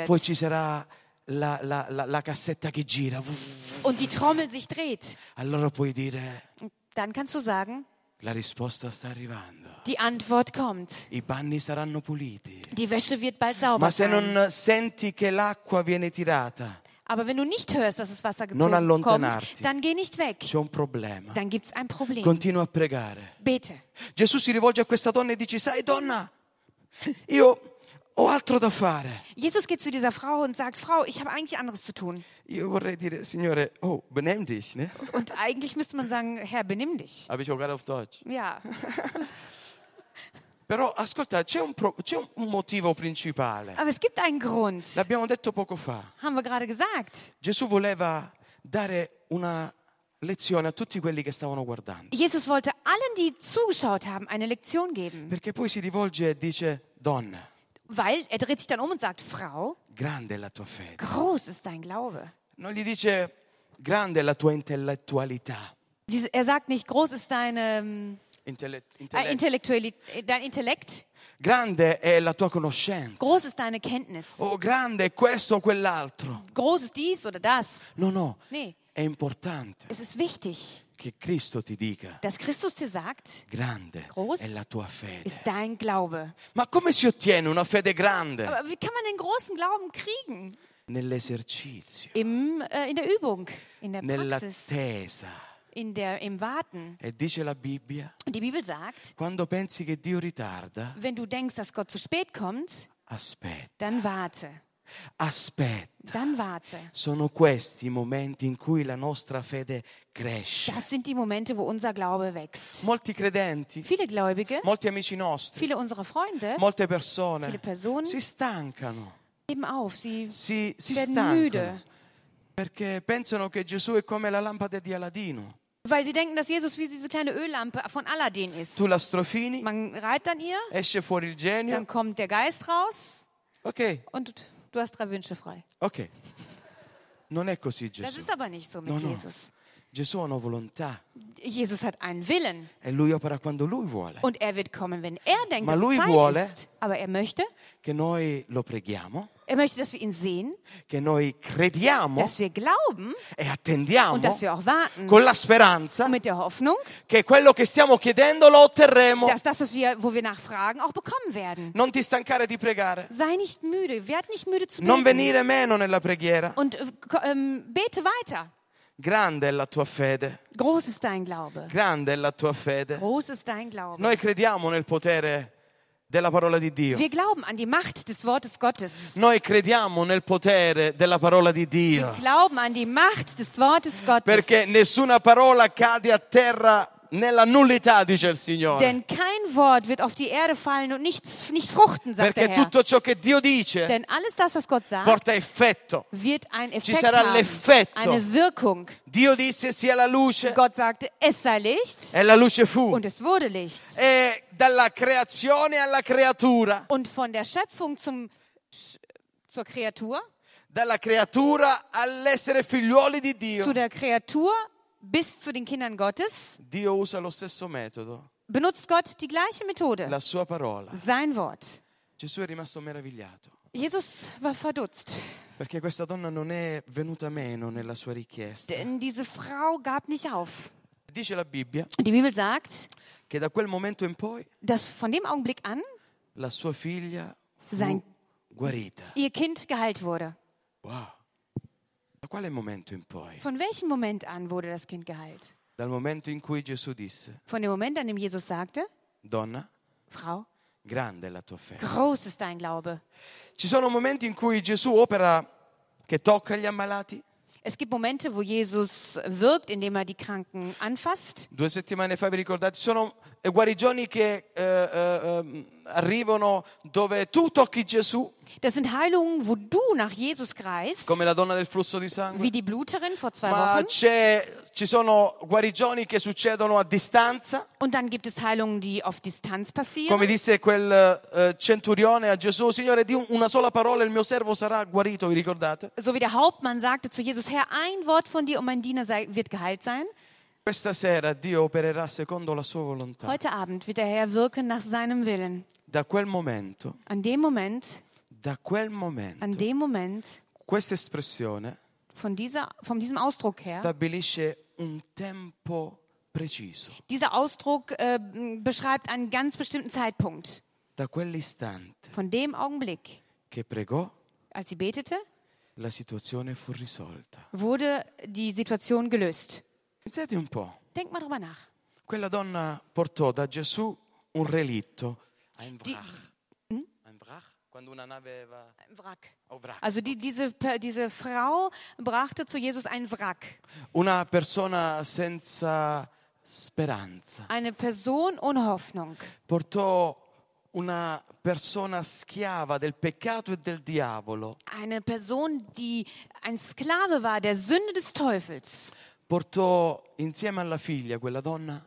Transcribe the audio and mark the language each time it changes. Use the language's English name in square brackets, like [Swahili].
[Italian] E poi ci sarà la cassetta che gira. [German] Und die Trommel sich dreht. [Italian] Allora puoi dire, [German] dann kannst du sagen, [Italian] la risposta sta arrivando. [German] Die Antwort kommt. [Italian] I panni saranno puliti. [German] Die Wäsche wird bald sauber [Italian] Ma se [German] sein. [Italian] Non senti che l'acqua viene tirata, [German] aber wenn du nicht hörst, dass das Wasser gezogen kommt, dann geh nicht weg. [Italian] C'è un problema. [German] Dann gibt's ein Problem. [Italian] Continua a pregare. [German] Bete. [Italian] Gesù si rivolge a questa donna e dice, sai donna, io... Ho altro da fare. [German] Jesus geht zu dieser Frau und sagt, Frau, ich habe eigentlich anderes zu tun. [Italian] Io vorrei dire, signore, oh, [German] benimm dich, ne? Und eigentlich müsste man sagen, Herr, benimm dich. Habe ich auch gerade auf Deutsch. Ja. [Italian] Però, ascolta, c'è un motivo principale. [German] Aber es gibt einen Grund. [Italian] L'abbiamo detto poco fa. [German] Haben wir gerade gesagt. [Italian] Gesù voleva dare una lezione a tutti quelli che stavano guardando. [German] Jesus wollte allen, die zugeschaut haben, eine Lektion geben. [Italian] Perché poi si rivolge e dice, donna. [German] Weil er dreht sich dann um und sagt, Frau, [Italian] grande la tua fede. [German] Groß ist dein Glaube. [Italian] Non gli dice, grande la tua intellettualità. [German] Er sagt nicht, groß ist deine, dein Intellekt. [Italian] Grande è la tua conoscenza. [German] Groß ist deine Kenntnis. [Italian] Oh, grande questo o quell'altro. [German] Groß ist dies oder das. [Italian] No, no. [German] Nee. [Italian] È importante. [German] Es ist wichtig. [Italian] Che Cristo ti dica. [German] Dass Christus dir sagt. [Italian] Grande. [German] Groß. [Italian] È la tua fede. [German] Ist dein Glaube. [Italian] Ma come si ottiene una fede grande? [German] Aber wie kann man den großen Glauben kriegen? [Italian] Nell'esercizio. [German] In der Übung. In der [Italian] Nell'attesa. [German] Praxis. [Italian] Nell'attesa. [German] In der im Warten. [Italian] E dice la Bibbia. [German] Und die Bibel sagt. [Italian] Quando pensi che Dio ritarda. [German] Wenn du denkst, dass Gott zu spät kommt. [Italian] Aspetta. [German] Dann warte. [Italian] Aspetta. [German] Dann warte. [Italian] Sono questi i momenti in cui la nostra fede cresce. [German] Das sind die Momente, wo unser Glaube wächst. [Italian] Molti credenti. [German] Viele Gläubige. [Italian] Molti amici nostri. [German] Viele unserer Freunde. [Italian] Molte persone. [German] Viele Personen. [Italian] Si stancano. [German] Geben auf. Sie [Italian] si [German] werden [Italian] stancano. [German] Müde. [Italian] Perché pensano che Gesù è come la lampada di Aladino. [German] Weil sie denken, dass Jesus wie diese kleine Öllampe von Aladdin ist. [Italian] Tu la strofini. [German] Man reibt an ihr. [Italian] Esce fuori il genio. [German] Dann kommt der Geist raus. Okay. Und du hast drei Wünsche frei. [Italian] Okay. Non è così, Gesù. [German] Das ist aber nicht so mit [Italian] no, no. [German] Jesus. [Italian] Gesù ha una volontà. [German] Jesus hat einen Willen. [Italian] E lui opera quando lui vuole. [German] Und er wird kommen, wenn er denkt, [Italian] Ma lui [German] Zeit [Italian] vuole [German] ist. Aber er möchte, [Italian] che noi lo preghiamo. [German] Er möchte, dass wir ihn sehen. [Italian] Che noi crediamo. [German] Dass wir glauben. [Italian] E attendiamo. [German] Und dass wir auch warten. [Italian] Con la speranza. [German] Mit der Hoffnung. [Italian] Che quello che stiamo chiedendo lo otterremo. [German] Dass das, was wir, wo wir nachfragen, auch bekommen werden. [Italian] Non ti stancare di pregare. [German] Sei nicht müde. Werd nicht müde zu beten. [Italian] Non venire meno nella preghiera. [German] Und bete weiter. [Italian] Grande è la tua fede. [German] Groß ist dein Glaube. [Italian] Grande è la tua fede. [German] Groß ist dein Glaube. [Italian] Noi crediamo nel potere della parola di Dio. [German] Wir glauben an die Macht des Wortes Gottes. [Italian] Noi crediamo nel potere della parola di Dio. [German] Wir glauben an die Macht des Wortes Gottes. [Italian] Perché nessuna parola cade a terra nella nullità, dice il Signore. [German] Denn kein Wort wird auf die Erde fallen und nicht fruchten, sagt [Italian] Perché [German] der Herr. [Italian] Tutto ciò che Dio dice [German] Denn alles das, was Gott sagt, [Italian] porta effetto. [German] Wird ein Effekt [Italian] Ci sarà [German] haben. [Italian] L'effetto. [German] Eine Wirkung. [Italian] Dio disse sia la luce. [German] Gott sagte, es sei Licht. [Italian] E la luce fu. [German] Und es wurde Licht. [Italian] E dalla creazione alla creatura. [German] Und von der Schöpfung zur Kreatur. [Italian] Dalla creatura all'essere figlioli di Dio. [German] Zu der Kreatur bis zu den Kindern Gottes. [Italian] Dio usa lo stesso metodo. [German] Benutzt Gott die gleiche Methode. [Italian] La sua parola. [German] Sein Wort. [Italian] Gesù è rimasto meravigliato. [German] Jesus war verdutzt. [Italian] Perché questa donna non è venuta meno nella sua richiesta. [German] Denn diese Frau gab nicht auf. [Italian] Dice la Bibbia. [German] Die Bibel sagt. [Italian] Che da quel momento in poi. [German] Dass von dem Augenblick an. [Italian] La sua figlia fu guarita. [German] Ihr Kind geheilt wurde. [Italian] Wow. Da quale momento in poi? [German] Von welchem Moment an wurde das Kind geheilt? [Italian] Dal momento in cui Gesù disse. [German] Von dem Moment an, in dem Jesus sagte. [Italian] Donna. [German] Frau. [Italian] Grande la tua fede. [German] Groß ist dein Glaube. [Italian] Ci sono momenti in cui Gesù opera che tocca gli ammalati. [German] Es gibt Momente, wo Jesus wirkt, indem er die Kranken anfasst. [Italian] Due settimane fa vi ricordate, sono guarigioni che arrivano dove tu tocchi Gesù. [German] Das sind Heilungen, wo du nach Jesus greifst. [Italian] Come la donna del flusso di sangue. [German] Wie die Bluterin vor zwei [Italian] Ma [German] Wochen. [Italian] Ma ci sono guarigioni che succedono a distanza. [German] Und dann gibt es Heilungen, die auf Distanz passieren. [Italian] Come disse quel centurione a Gesù, Signore, di una sola parola il mio servo sarà guarito. Vi ricordate? [German] So wie der Hauptmann sagte zu Jesus: Herr, ein Wort von dir und mein Diener wird geheilt sein. [Italian] Questa sera Dio opererà secondo la sua volontà. [German] Heute Abend wird der Herr wirken nach seinem Willen. [Italian] Da quel momento. [German] An dem Moment. [Italian] Da quel momento. [German] An dem Moment. [Italian] Questa espressione. [German] Von dieser, von diesem Ausdruck her. [Italian] Stabilisce un tempo preciso. [German] Dieser Ausdruck beschreibt einen ganz bestimmten Zeitpunkt. [Italian] Da quell'istante. [German] Von dem Augenblick. [Italian] Che pregò. [German] Als sie betete. [Italian] La situazione fu risolta. [German] Wurde die Situation gelöst. [Italian] Pensate un po'. [German] Denk mal drüber nach. [Italian] Quella donna portò da Gesù un relitto. [German] Ein Wrack. Ein Wrack? [Italian] Quando una nave va. [German] Ein Wrack. Also die, diese Frau brachte zu Jesus ein Wrack. [Italian] Una persona senza speranza. [German] Eine Person ohne Hoffnung. [Italian] Portò una persona schiava del peccato e del diavolo. [German] Eine Person, die ein Sklave war der Sünde des Teufels. [Italian] Portò insieme alla figlia quella donna